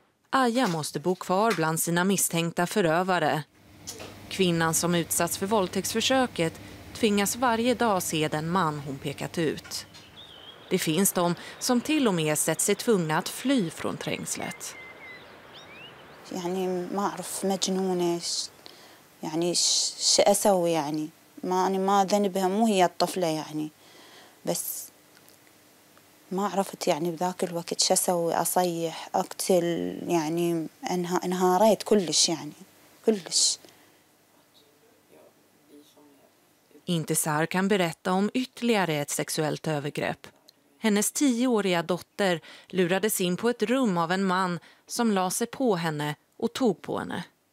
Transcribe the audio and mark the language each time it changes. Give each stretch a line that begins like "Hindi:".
Swedish: Aja måste bo kvar bland sina misstänkta förövare. Kvinnan som utsatts för våldtäktsförsöket tvingas varje dag se den man hon pekat ut. Det finns de som till och med sett sig tvungna att fly från trängslet.
Arabic: يعني ما اعرف مجنونة يعني ايش اسوي يعني ما انا ما ذنبها مو هي الطفلة يعني بس ما عرفت يعني بذاك الوقت شو اسوي اصيح اقتل يعني انهاريت كلش يعني كلش.
Swedish: Intisar kan berätta om ytterligare ett sexuellt övergrepp. Hennes 10-åriga dotter lurades in på ett rum av en man som la sig på henne och tog på henne.